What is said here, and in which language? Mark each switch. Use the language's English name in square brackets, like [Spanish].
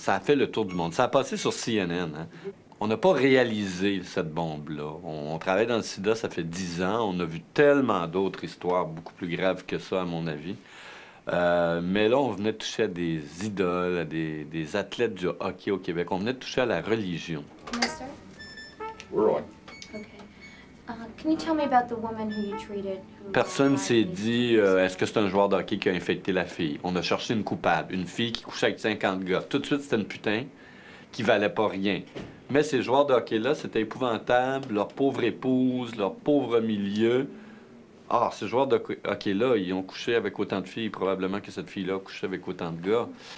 [French] Ça a fait le tour du monde. Ça a passé sur CNN. Hein? On n'a pas réalisé cette bombe-là. On travaille dans le sida, ça fait 10 ans. On a vu tellement d'autres histoires beaucoup plus graves que ça, à mon avis. Mais là, on venait de toucher à des idoles, à des athlètes du hockey au Québec. On venait de toucher à la religion. [English] Master? We're on. Can you tell me about the woman who you treated? [French] Personne s'est dit, est-ce que c'est un joueur de hockey qui a infecté la fille? On a cherché une coupable, une fille qui couchait avec 50 gars. Tout de suite, c'était une putain qui valait pas rien. Mais ces joueurs de hockey-là, c'était épouvantable. Leur pauvre épouse, leur pauvre milieu. Ah, ces joueurs de hockey-là, ils ont couché avec autant de filles, probablement que cette fille-là a couché avec autant de gars.